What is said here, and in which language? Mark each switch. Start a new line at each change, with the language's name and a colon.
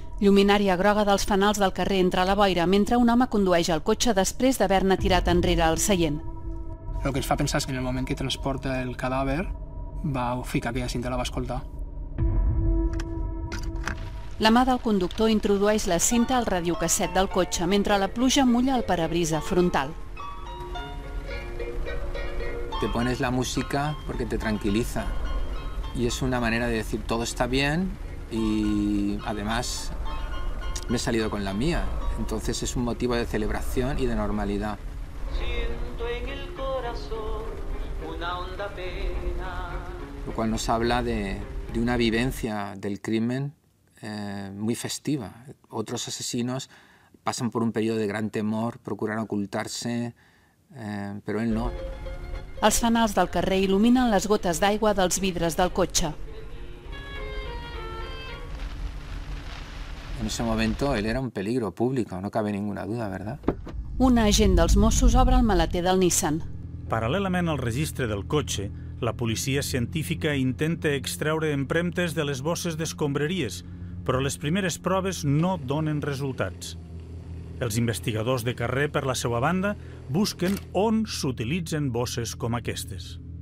Catalan: Lluminària groga dels fanals del carrer entre la boira mentre un home condueix el cotxe després d'haver-ne tirat enrere el seient. El que ens fa pensar és que en el moment que transporta el cadàver va ficar aquella cinta, la va escoltar. La mà del conductor introdueix la cinta al radiocasset del cotxe mentre la pluja mulla el parabrisa frontal.
Spanish: Te pones la música porque te tranquiliza. Y es una manera de decir todo está bien y además me he salido con la mía. Entonces es un motivo de celebración y de normalidad. Siento en el corazón una honda pena. Lo cual nos habla de una vivencia del crimen muy festiva. Otros asesinos pasan por un periodo de gran temor, procuran ocultarse, pero él no.
Catalan: Els fanals del carrer il·luminen les gotes d'aigua dels vidres del cotxe.
Spanish: En ese momento él era un peligro público, no cabe ninguna duda, ¿verdad?
Catalan: Un agent dels Mossos obre el maleter del Nissan. Paral·lelament al registre del cotxe, la policia científica intenta extreure empremtes de les bosses d'escombraries, però les primeres proves no donen resultats. Els investigadors de carrer, per la seva banda, busquen on s'utilitzen bosses com aquestes.